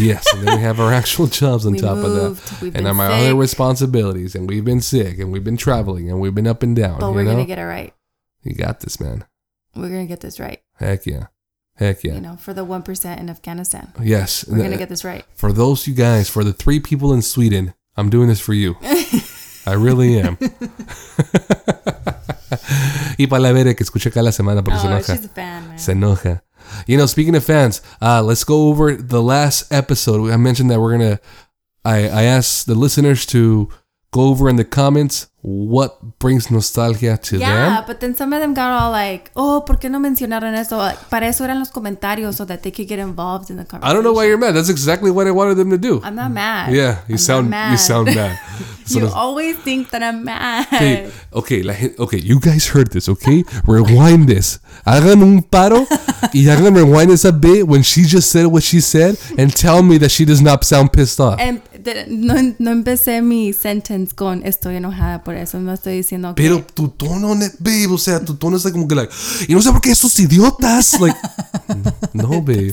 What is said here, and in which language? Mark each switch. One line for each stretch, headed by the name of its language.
English: Yes, and then we have our actual jobs on top of that. And then my other responsibilities, and we've been sick, and we've been traveling, and we've been up and down. But we're going to get it right. You got this, man. We're going to get this right. Heck yeah. Heck yeah. You know, for the 1% in Afghanistan. Yes. We're going to get this right. For those you guys, for the 3 people in Sweden, I'm doing this for you. I really am.
Spanish: Y para la Vera, que escuché acá la semana, porque se enoja.
English: She's a fan, man.
Spanish: Se enoja.
English: You know, speaking of fans, let's go over the last episode. I mentioned that we're going to, I asked the listeners to go over in the comments what brings nostalgia to them. Yeah, but then some of them got all like, oh,
Spanish: ¿por qué no mencionaron eso?
English: Like,
Spanish: para eso eran los comentarios,
English: so that they could get involved in the conversation. I don't know why you're mad. That's exactly what I wanted them to do. I'm not mad. Yeah, you sound mad. So you always think that I'm mad. Okay, you guys heard this, okay? Rewind this.
Spanish: Hagan un paro y hagan
English: rewind this a bit when she just said what she said and tell me that she does not sound pissed off.
Spanish: No empecé mi sentence con estoy enojada, por eso no estoy diciendo que... Pero tu tono, babe, o sea, tu tono es como que like, y no sé por qué estos idiotas, like, no, babe.